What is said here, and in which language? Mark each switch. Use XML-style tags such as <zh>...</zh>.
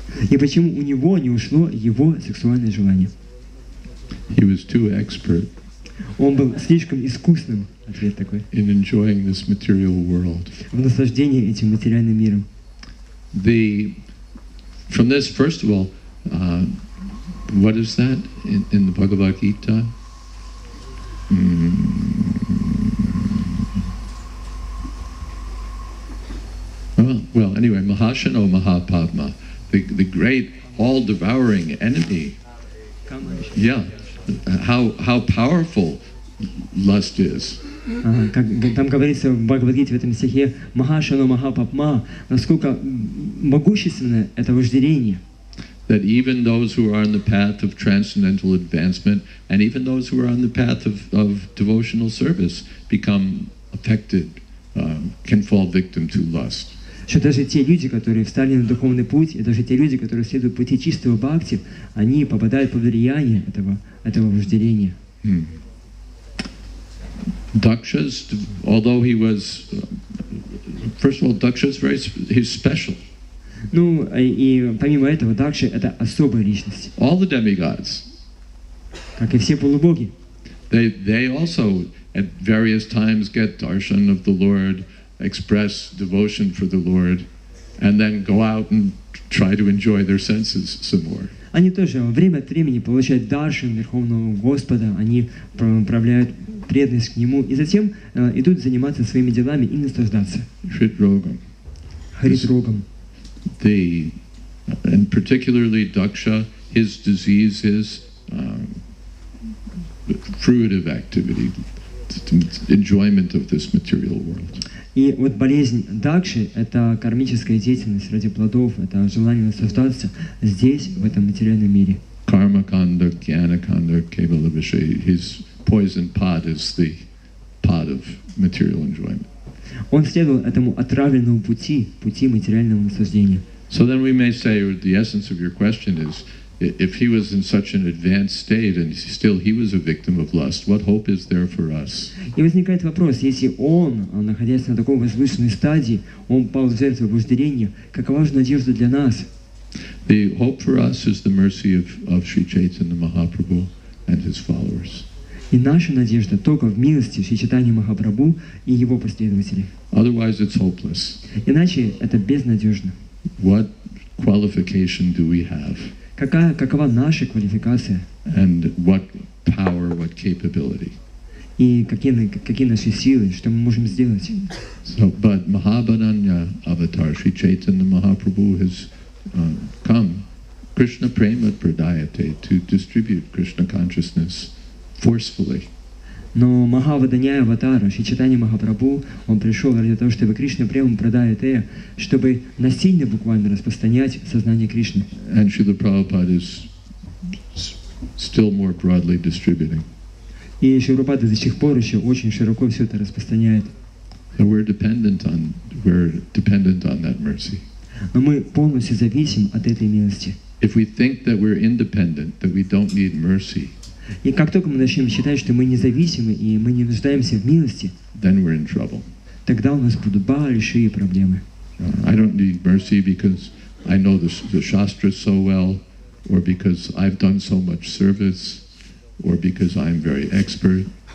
<ru>И почему у него не ушло его сексуальное желание?</ru> <en>He was too expert.</en> <ru>Он был слишком искусным, ответ такой,</ru> <en>in enjoying this material world.</en> <ru>В наслаждении этим материальным миром.</ru> <en>From this, first of all, what is that in the Bhagavad Gita? Anyway,</en> <sa>Mahashano Mahapadma,</sa> <en>the great all-devouring enemy. Yeah, how powerful lust is.</en> <ru>Как там говорится в Бхагавад-гите, в этом стихе,</ru> <sa>Mahashano Mahapadma,</sa> <ru>насколько могущественно это вожделение.</ru> <en>That even those who are on the path of transcendental advancement, and even those who are on the path of devotional service, become affected, can fall victim to lust.</en> <ru>Что даже те люди, которые встали на духовный путь, и даже те люди, которые следуют пути чистого бхакти, они попадают под влияние этого вожделения.</ru> <en>Daksha's, although he was, first of all, Daksha's very, he's special.</en> <ru>Ну, и помимо этого, Дакша — это особая личность.</ru> <en>All the demigods.</en> <ru>Как и все полубоги.</ru> <en>They also at various times get darshan of the Lord, express devotion for the Lord, and then go out and try to enjoy their senses some more.</en> <ru>Они тоже время от времени получают даршан Верховного Господа, они проявляют преданность к Нему, и затем идут заниматься своими делами и наслаждаться.</ru> <sa>Хрит-рогам. Хрит-рогам.</sa> <en>And particularly Daksha, his disease is fruitive activity, enjoyment of this material world.</en> <ru>И вот болезнь дакши – это кармическая деятельность ради плодов, это желание наслаждаться здесь, в этом материальном мире.</ru> <sa>Karma kanda, jnana kanda, kevala vishaya.</sa> <en>His poison pot is the pot of material enjoyment.</en> <ru>Он следовал этому отравленному пути, пути материального наслаждения.</ru> <en>So then we may say, or the essence of your question is, if he was in such an advanced state and still he was a victim of lust, what hope is there for us?</en> <ru>И возникает вопрос, если он, находясь на такой возвышенной стадии, он пал в жертву вожделения, какова же надежда для нас?</ru> <en>The hope for us is the mercy of Sri Chaitanya Mahaprabhu and his followers.</en> <ru>И наша надежда только в милости Шри Чайтаньи Махапрабху и его последователей.</ru> <en>Otherwise it's hopeless.</en> <ru>Иначе это безнадежно.</ru> <en>What qualification do we have?</en> <ru>Какова наша квалификация?</ru> <en>And what power, what capability?</en> <ru>И какие наши силы, что мы можем сделать?</ru> <en>So, but Mahabhananya Avatar, Sri Chaitanya Mahaprabhu has come,</en> <sa>Krishna Prema Pradayate,</sa> <en>to distribute Krishna consciousness forcefully.</en> <ru>Но Махавадханяя Аватара, Шри Чайтанья Махапрабху, он пришел ради того, чтобы Кришна прямо продает это, чтобы насильно буквально распространять сознание Кришны.</ru> <en>And Srila Prabhupada is still more broadly distributing.</en> <ru>И Шрила Прабхупада до сих пор еще очень широко все это распространяет.</ru> <en>So we're dependent on that mercy.</en> <ru>Но мы полностью зависим от этой милости.</ru> <en>If we think that we're independent, that we don't need mercy,</en> <ru>и как только мы начнем считать, что мы независимы и мы не нуждаемся в милости,</ru> <en>then we're in trouble.</en> <ru>Тогда у нас будут большие проблемы.</ru> <en>I don't need mercy because I know the shastra so well, or because I've done so much service, or because I'm very expert.</en>